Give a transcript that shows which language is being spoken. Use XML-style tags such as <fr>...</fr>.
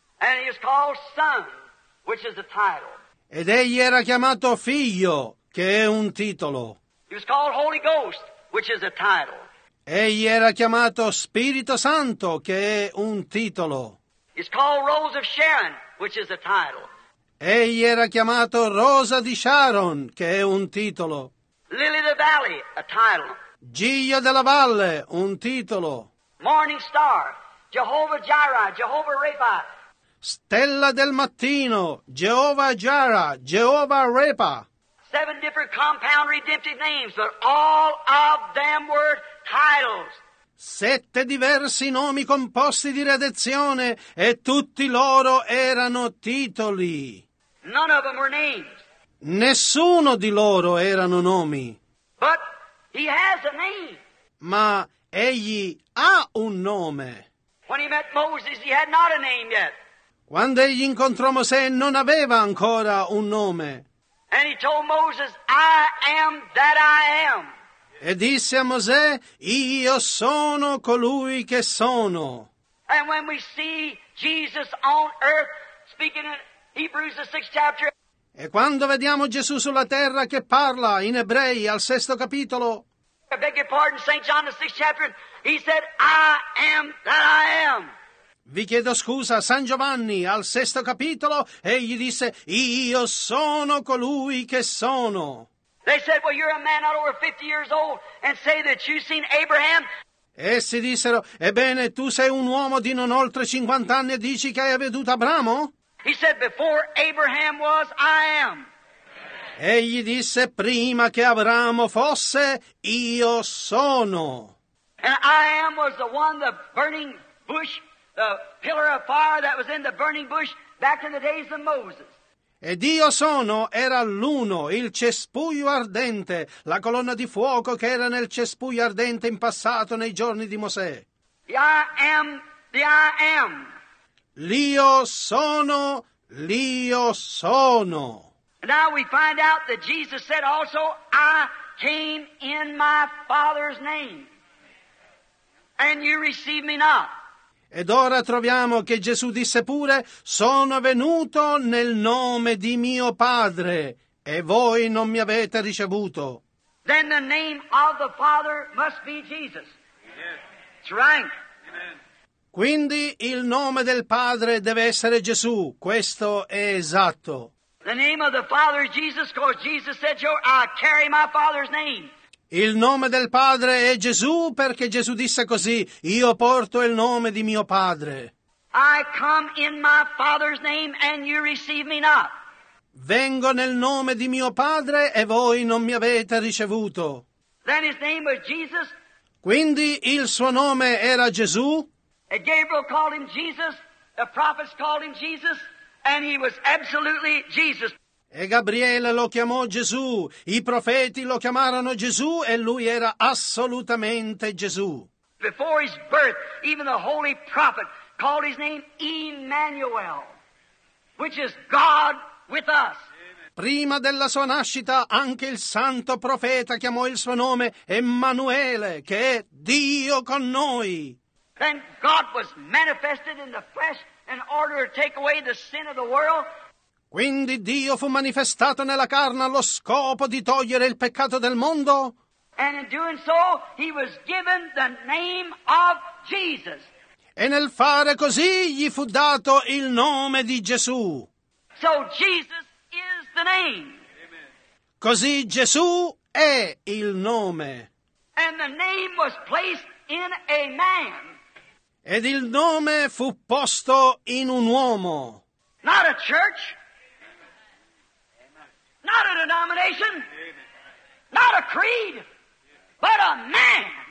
<en>And he was called Son, which is a title.</en> <it>Ed egli era chiamato Figlio, che è un titolo.</it> <en>He was called Holy Ghost, which is a title.</en> <it>Egli era chiamato Spirito Santo, che è un titolo.</it> <en>He's called Rose of Sharon, which is a title.</en> <it>Egli era chiamato Rosa di Sharon, che è un titolo.</it> <en>Lily of the Valley, a title.</en> <it>Giglio della Valle, un titolo.</it> <en>Morning Star, Jehovah Jireh, Jehovah Rapha.</en> <it>Stella del mattino, Jehovah Jireh, Jehovah Rapha.</it> <en>Seven different compound redemptive names, but all of them were titles.</en> <it>Sette diversi nomi composti di redenzione, e tutti loro erano titoli.</it> <en>None of them were names.</en> <it>Nessuno di loro erano nomi.</it> <en>But he has a name.</en> <it>Ma egli ha un nome.</it> <en>When he met Moses, he had not a name yet.</en> <it>Quando egli incontrò Mosè, non aveva ancora un nome.</it> <en>And he told Moses, I am that I am.</en> <it>E disse a Mosè, io sono colui che sono.</it> <en>And when we see Jesus on earth speaking in Hebrews the 6th chapter.</en> <it>E quando vediamo Gesù sulla terra che parla in Ebrei al 6th capitolo.</it> <en>I beg your pardon, St. John the 6th chapter. He said, I am that I am.</en> <it>Vi chiedo scusa, San Giovanni, al 6th capitolo, egli disse, io sono colui che sono.</it> <en>They said, well, you're a man not over 50 years old, and say that you've seen Abraham.</en> <it>Essi dissero, ebbene, tu sei un uomo di non oltre 50 anni e dici che hai veduto Abramo?</it> <en>He said, before Abraham was, I am.</en> <it>Egli disse, prima che Abramo fosse, io sono.</it> <en>And I am was the one, the burning bush, the pillar of fire that was in the burning bush back in the days of Moses.</en> <it>Ed io sono era l'uno, il cespuglio ardente, la colonna di fuoco che era nel cespuglio ardente in passato nei giorni di Mosè.</it> <en>I am, the I am.</en> <it>L'io sono, l'io sono.</it> <en>Now we find out that Jesus said also, I came in my Father's name, and you receive me not.</en> <it>Ed ora troviamo che Gesù disse pure, sono venuto nel nome di mio Padre, e voi non mi avete ricevuto.</it> <en>Then the name of the Father must be Jesus. Yes. It's right. Amen.</en> <it>Quindi il nome del Padre deve essere Gesù, questo è esatto.</it> <en>The name of the Father is Jesus, because Jesus said, I carry my Father's name.</en> <it>Il nome del Padre è Gesù perché Gesù disse così, io porto il nome di mio Padre.</it> <en>I come in my Father's name and you receive me not.</en> <it>Vengo nel nome di mio Padre e voi non mi avete ricevuto.</it> <en>Then his name was Jesus.</en> <it>Quindi il suo nome era Gesù.</it> <en>And Gabriel called him Jesus, the prophets called him Jesus, and he was absolutely Jesus.</en> <it>E Gabriele lo chiamò Gesù, i profeti lo chiamarono Gesù e lui era assolutamente Gesù.</it> <en>Before his birth, even the holy prophet called his name Emmanuel, which is God with us.</en> <it>Prima della sua nascita, anche il santo profeta chiamò il suo nome Emmanuele, che è Dio con noi.</it> <en>Then God was manifested in the flesh in order to take away the sin of the world.</en> <it>Quindi Dio fu manifestato nella carne allo scopo di togliere il peccato del mondo.</it> <en>And in doing so, he was given the name of Jesus.</en> <it>E nel fare così gli fu dato il nome di Gesù.</it> <en>So Jesus is the name. Amen.</en> <it>Così Gesù è il nome.</it> <en>And the name was placed in a man.</en> <it>Ed il nome fu posto in un uomo.</it> <en>Not a church. Not a denomination, not a creed, but a man.</en>